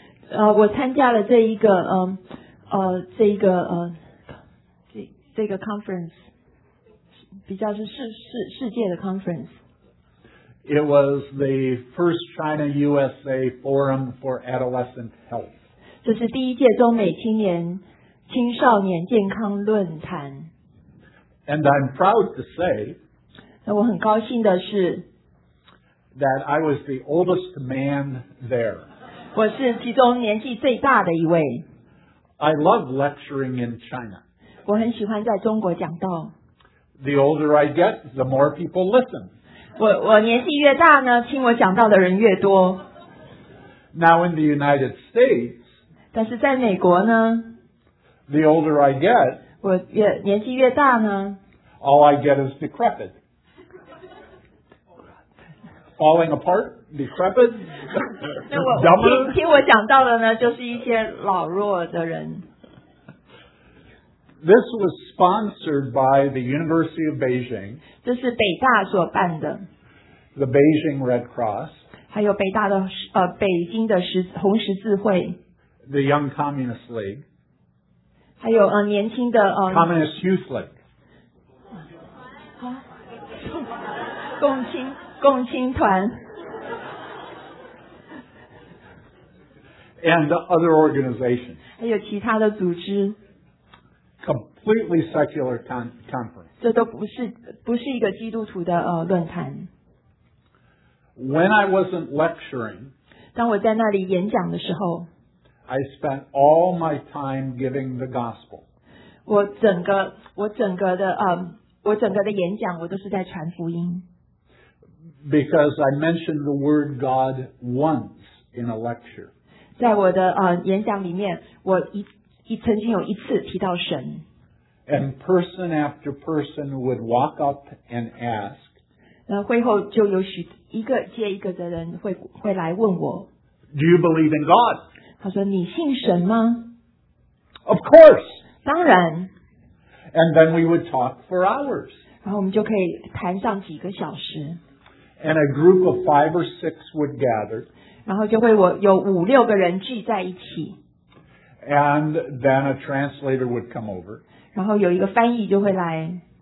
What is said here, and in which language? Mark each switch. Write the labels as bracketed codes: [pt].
[zh] 我参加了这个 conference, 比较是世界的 conference. [en] It was the first China-USA Forum for Adolescent Health. [zh] 这是第一届中美青年青少年健康论坛。 [en] And I'm proud to say, [zh] 那我很高兴的是 [en] that I was the oldest man there. [zh] 我是其中年纪最大的一位。 [en] I love lecturing in China. [zh] 我很喜欢在中国讲道。 [en] The older I get, the more people listen. [zh] 我年纪越大呢，听我讲道的人越多。 [en] Now in the United States, [zh] 但是在美国呢 [en] the older I get, [zh] 我越年纪越大呢 [en] all I get is decrepit. Falling apart, decrepit, dumber. [zh] 听我讲到的呢，就是一些老弱的人。 [en] This was sponsored by the University of Beijing. [zh] 这是北大所办的。 [en] The Beijing Red Cross. [zh] 还有北大的北京的红十字会。 [en] The Young Communist League. [zh] 还有年轻的 [en] Communist Youth League. [zh] 共青团。 [en] And other organizations. [zh] 还有其他的组织。 [en] Completely secular conference. [zh] 这都不是一个基督徒的论坛。 [en] When I wasn't lecturing, [zh] 当我在那里演讲的时候 [en] I spent all my time giving the gospel. [zh] 我整个的演讲我都是在传福音。 [en] Because I mentioned the word God once in a lecture. [zh] 在我的演讲里面我曾经有一次提到神。 [en] And person after person would walk up and ask, [zh] 那会后就有许一个接一个的人会来问我 [en] Do you believe in God? [zh] 他说你信神吗 [en] Of course. [zh] 当然 [en] And then we would talk for hours. [zh] 然后我们就可以谈上几个小时 [en] And a group of five or six would gather. [zh] 然后就会有五六个人聚在一起 [en] And then a translator would come over. [zh] 然后有一个翻译就会来